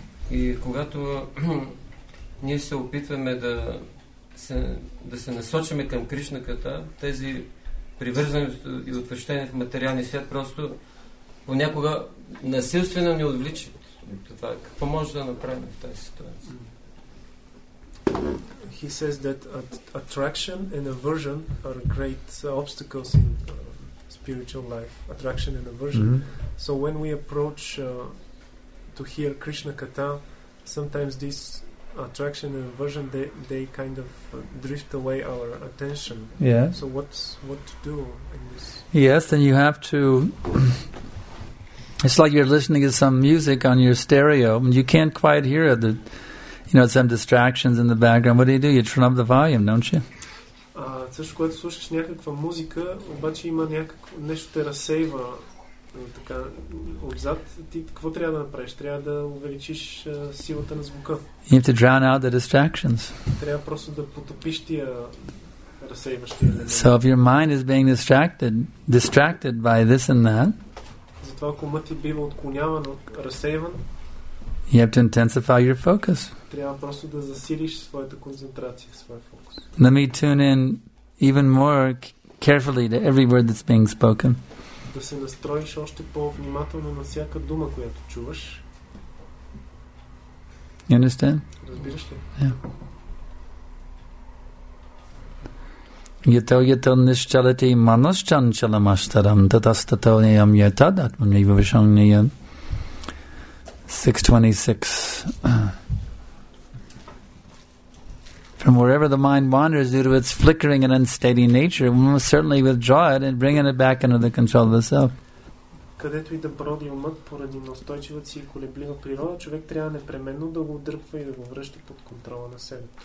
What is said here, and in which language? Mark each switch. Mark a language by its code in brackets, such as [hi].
[bg] И когато ние се опитваме да се насочиме към Кришната, тези привързаност и отчуждение в материалния свят просто понякога насилствено ни отвличат. Това, какво може да направим в тази ситуация? [en] He says that attraction and aversion are great obstacles in spiritual life, attraction and aversion. Mm-hmm. So when we approach to hear Krishna Katha, sometimes this attraction and aversion, they kind of drift away our attention. Yeah. So what to do in this? Yes, then you have to... It's like you're listening to some music on your stereo and you can't quite hear it. You know, some distractions in the background. What do? You turn up the volume, don't you? [bg] Също когато слушаш някаква музика, обаче има някакво нещо те разсейва така отзад, ти какво трябва да направиш? Трябва да увеличиш силата на звука. [en] You have to drown out the distractions. [bg] Трябва просто да потопиш тия разсейващи елементи. [en] So if your mind is being distracted by this and that, [bg] затова ако умът ти бива отклоняван, разсейван, [en] you have to intensify your focus. [bg] Трябва просто да засилиш своята концентрация, своя фокус. [en] Let me tune in even more carefully to every word that's being spoken. [bg] Да се настроиш още по-внимателно на всяка дума, която чуваш. [en] You understand? [bg] Разбираш ли? [sa] Yeah. Yato yato nishchalati manaschanchalamashtaram tatastato niyam yatad atmanivavishangniyam 626. [en] From wherever the mind wanders due to its flickering and unsteady nature, we must certainly withdraw it and bring it back under the control of the self. [bg] Където и да броди умът поради неустойчивата си и колеблива природа, човек трябва непременно да го отдърпва и да го връща под контрола на себе.